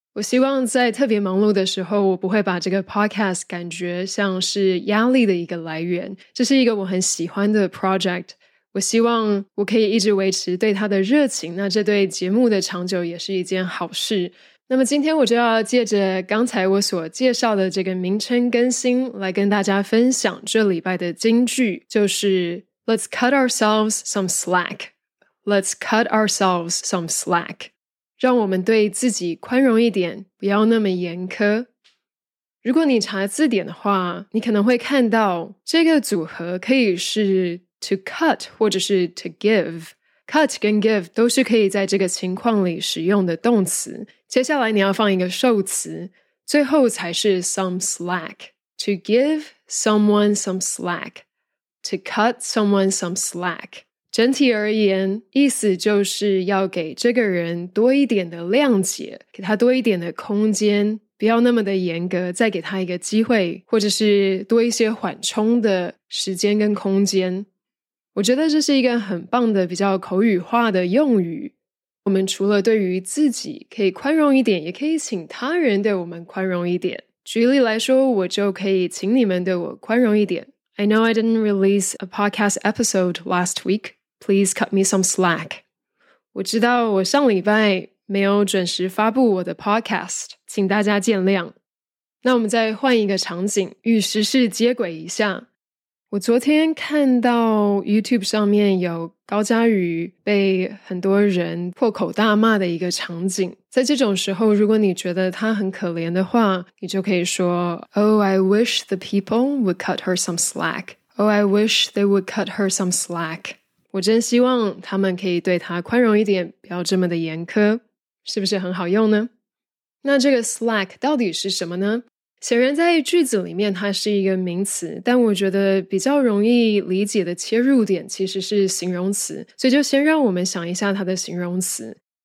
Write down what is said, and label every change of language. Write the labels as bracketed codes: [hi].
[zh] 我希望在特别忙碌的时候，我不会把这个 podcast 感觉像是压力的一个来源，这是一个我很喜欢的 project， 我希望我可以一直维持对它的热情，那这对节目的长久也是一件好事。那么今天我就要借着刚才我所介绍的这个名称更新来跟大家分享这礼拜的金句，就是 [en] Let's cut ourselves some slack. Let's cut ourselves some slack. [zh] 让我们对自己宽容一点，不要那么严苛。如果你查字典的话，你可能会看到这个组合可以是 to cut 或者是 to give。 Cut 跟 give 都是可以在这个情况里使用的动词，接下来你要放一个受词，最后才是 some slack. [en] To give someone some slack. To cut someone some slack. [zh] 整体而言，意思就是要给这个人多一点的谅解，给他多一点的空间，不要那么的严格，再给他一个机会，或者是多一些缓冲的时间跟空间。我觉得这是一个很棒的比较口语化的用语，我们除了对于自己可以宽容一点，也可以请他人对我们宽容一点。举例来说，我就可以请你们对我宽容一点。 [en] I know I didn't release a podcast episode last week. Please cut me some slack. [zh] 我知道我上礼拜没有准时发布我的 podcast， 请大家见谅。那我们再换一个场景，与时事接轨一下。我昨天看到 YouTube 上面有高嘉瑜被很多人破口大骂的一个场景。在这种时候，如果你觉得她很可怜的话，你就可以说 [en] Oh, I wish the people would cut her some slack. Oh, I wish they would cut her some slack. [zh] 我真希望他们可以对她宽容一点，不要这么的严苛。是不是很好用呢？那这个 slack 到底是什么呢？显然在句子里面它是一个名词，但我觉得比较容易理解的切入点其实是形容词，所以就先让我们想一下它的形容词。